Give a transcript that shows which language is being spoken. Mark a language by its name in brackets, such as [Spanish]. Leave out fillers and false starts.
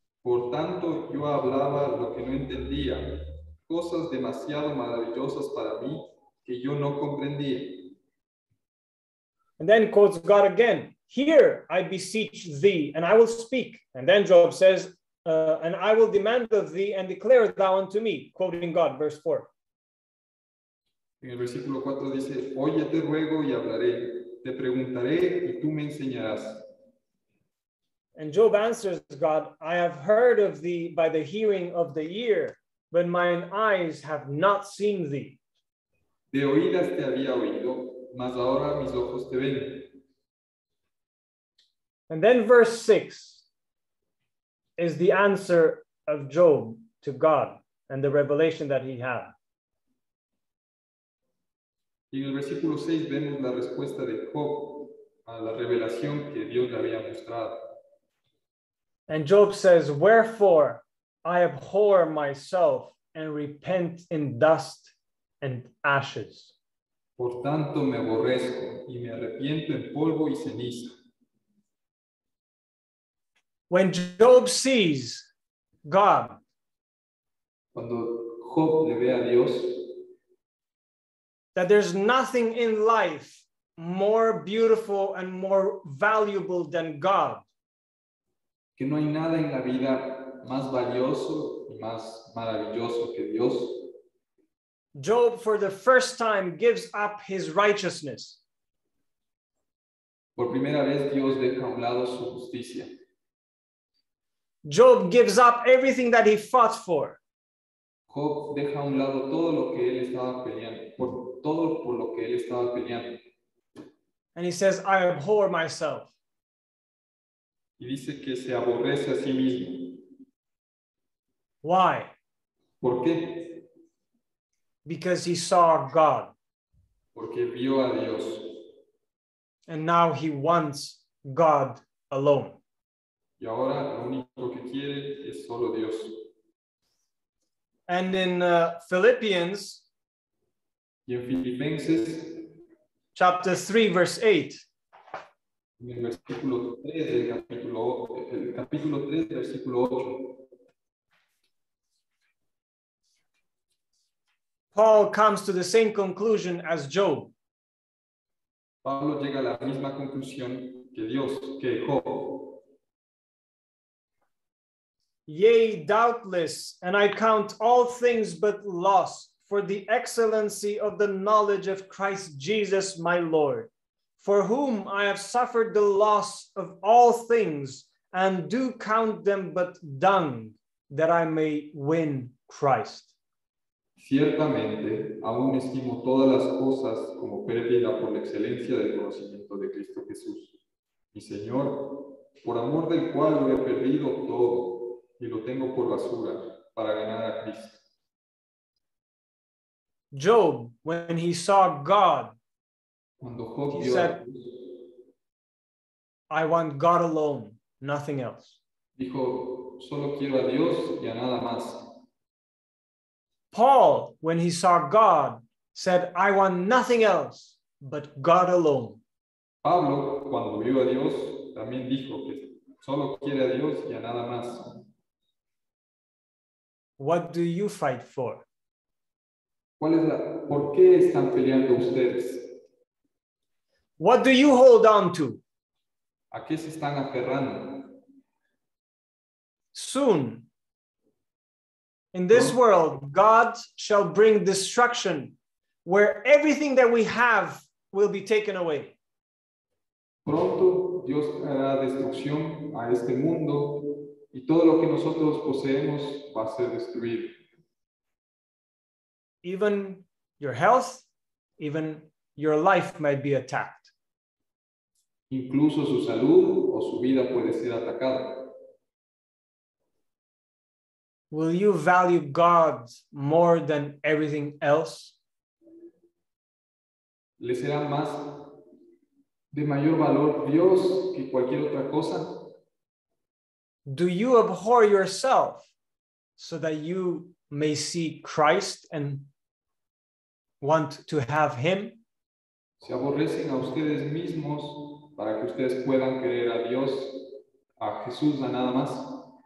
[Spanish] Por tanto, yo hablaba lo que no entendía, cosas demasiado maravillosas para mí que yo no comprendía. [English] And then quotes God again, hear, I beseech thee, and I will speak. And then Job says, and I will demand of thee, and declare thou unto me, quoting God, verse 4. [Spanish] En el versículo 4 dice, oye, te ruego y hablaré. Te preguntaré y tú me enseñarás. [English] And Job answers God, I have heard of thee by the hearing of the ear, but mine eyes have not seen thee. [Spanish] De oídas te había oído, mas ahora mis ojos te ven. [English] And then verse 6 is the answer of Job to God and the revelation that he had. [Spanish] Y en el versículo 6 vemos la respuesta de Job a la revelación que Dios le había mostrado. [English] And Job says, wherefore I abhor myself and repent in dust and ashes. [Spanish] Por tanto me aborrezco y me arrepiento en polvo y ceniza. [English] When Job sees God, [Spanish] cuando Job le ve a Dios, [English] that there's nothing in life more beautiful and more valuable than God. [Spanish] Que no hay nada en la vida más valioso y más maravilloso que Dios. [English] Job, for the first time, gives up his righteousness. [Spanish] Por primera vez, Dios deja a un lado su justicia. [English] Job gives up everything that he fought for. [Spanish] Job deja a un lado todo lo que él estaba peleando por. Todo por lo que él estaba peleando. [English] And he says, I abhor myself. [Spanish] Y dice que se aborrece a sí mismo. [English] Why? [Spanish] ¿Por qué? [English] Because he saw God. [Spanish] Porque vio a Dios. [English] And now he wants God alone. [Spanish] Y ahora lo único que quiere es solo Dios. [English] And in Philippians, [Spanish] y en Filipenses, [English] chapter 3, verse 8. [Spanish] En el versículo 3 del capítulo, el capítulo 3, versículo 8. [English] Paul comes to the same conclusion as Job. [Spanish] Pablo llega a la misma conclusión que Dios, que Job. [English] Yea, doubtless, and I count all things but loss for the excellency of the knowledge of Christ Jesus, my Lord, for whom I have suffered the loss of all things and do count them but dung that I may win Christ. [Spanish] Ciertamente, aún estimo todas las cosas como pérdida por la excelencia del conocimiento de Cristo Jesús, mi Señor, por amor del cual lo he perdido todo y lo tengo por basura para ganar a Cristo. [English] Job, when he saw God, [Spanish] cuando Job vio a Dios, [English] I want God alone, nothing else. [Spanish] Dijo, solo quiero a Dios y a nada más. [English] Paul, when he saw God, said, I want nothing else but God alone. [Spanish] Pablo, cuando vio a Dios, también dijo que solo quiere a Dios y a nada más. [English] What do you fight for? [Spanish] ¿Cuál es la, por qué están peleando ustedes? [English] What do you hold on to? [Spanish] ¿A qué se están aferrando? [English] Soon. In this world, God shall bring destruction where everything that we have will be taken away. [Spanish] Pronto, Dios hará destrucción a este mundo y todo lo que nosotros poseemos va a ser destruido. [English] Even your health, even your life might be attacked. [Spanish] Incluso su salud o su vida puede ser atacada. [English] Will you value God more than everything else? [Spanish] ¿Le será más de mayor valor Dios que cualquier otra cosa? [English] Do you abhor yourself so that you may see Christ and want to have him? [Spanish] ¿Se aborrecen a ustedes mismos para que ustedes puedan querer a Dios, a Jesús, a nada más?